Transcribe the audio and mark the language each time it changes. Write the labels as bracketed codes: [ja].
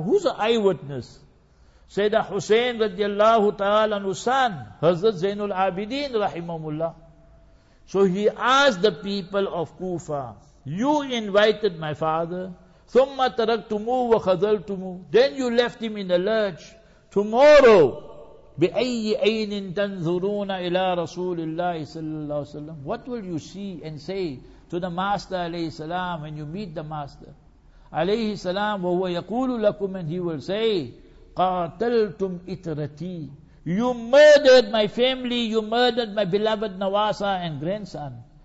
[en] Who's an eyewitness? Sayyidina Hussein radiallahu ta'ala anhu's son, Hazrat Zainul Abidin rahimahullah. So he asked the people of Kufa, you invited my father, [ar] ثُمَّ تَرَكْتُمُ وَخَذَلْتُمُ. [en] Then you left him in the lurch. [ar] Tomorrow, بِأَيِّ عَيْنٍ تَنْظُرُونَ إِلَىٰ رَسُولِ اللَّهِ صَلَّى اللَّهُ عَلَيْهِ وَسَلَّمُ. [en] What will you see and say to the Master alayhi salam when you meet the Master? Alayhi salam, [ar] وَهُوَ يَقُولُ لَكُمْ, [en] and he will say, [ar] قَاتَلْتُمْ إِتْرَتِي. [en] You murdered my family, you murdered my beloved Nawasa and grandson.